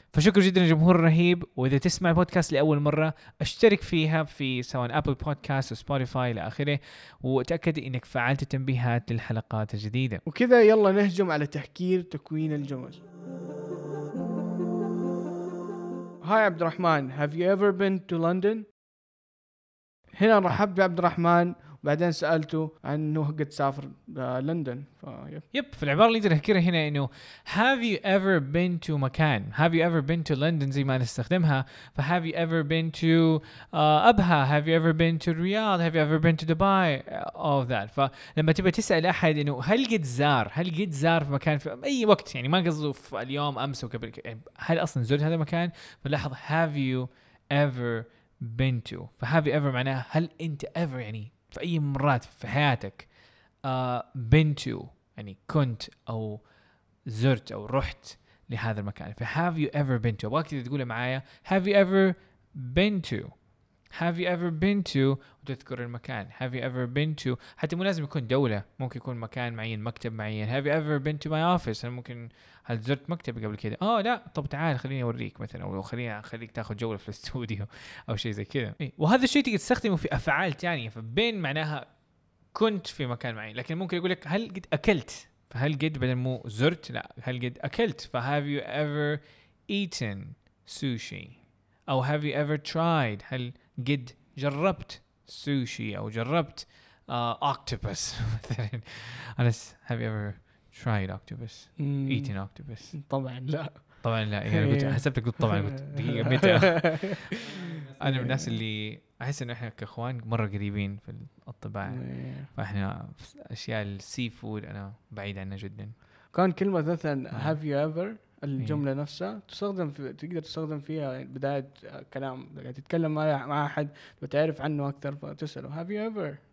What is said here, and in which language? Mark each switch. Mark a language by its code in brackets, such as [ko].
[ar] فشكر جدا للجمهور الرهيب، واذا تسمع البودكاست لاول مره اشترك فيها في سواء ابل بودكاست او سبوتيفاي لاخره، وتاكد انك فعلت التنبيهات للحلقات الجديده. وكذا يلا نهجم على تحكير تكوين الجمل. هاي عبد الرحمن، [en] have you ever been to London؟ [ar] هنا رحب بعبد الرحمن، وبعدين سألته عن انه قد سافر لندن. يب، في العبارة اللي تذكرها هنا انه [en] have you ever been to [ar] مكان، [en] have you ever been to London [ar] زي ما نستخدمها، ف have you ever been to أبها، [en] have you ever been to Riyadh، have you ever been to Dubai، all of that. [ar] فلما تبقى تسأل أحد انه هل قد زار، هل قد زار في مكان في أي وقت، يعني ما قصده في اليوم أمس وقبل، هل أصلا زرت هذا المكان، فلاحظ [en] have you ever been to. [ar] فهذه ever معناها هل انت ever، يعني في اي مرات في حياتك [en] been to، [ar] يعني كنت او زرت او رحت لهذا المكان. ف [en] have you ever been to، [ar] ابغاك تقول معايا have you ever been to، have you ever been to، وتذكر المكان have you ever been to. حتى مو لازم يكون دولة، ممكن يكون مكان معين، مكتب معين. [en] have you ever been to my office، [ar] هل ممكن هل زرت مكتبي قبل كده؟ اه لا، طب تعال خليني اوريك مثلا، او خليك تاخذ جولة في الاستوديو او شيء زي كده. وهذا الشيء تقدر تستخدمه في افعال تانية. فبين معناها كنت في مكان معين، لكن ممكن يقول لك هل قد اكلت، فهل قد بدل مو زرت، لا هل قد اكلت. ف [en] have you ever eaten sushi، [ar] او [en] have you ever tried، [ar] هل قد جربت سوشي او جربت اوكتوبس مثلا. [en] Anas have you ever tried octopus eating octopus؟ [ar] طبعا لا يعني قلت حسبتك قلت طبعا، قلت دقيقه متى. انا من الناس اللي احس ان احنا كاخوان مره قريبين في الطباع، فاحنا اشياء السي فود انا بعيد عنها جدا. كان كلمه مثلا [en] have you ever، [ar] الجملة نفسها تستخدم في، تقدر تستخدم فيها بداية كلام، تتكلم مع أحد وتعرف عنه أكثر فتسأله have you ever،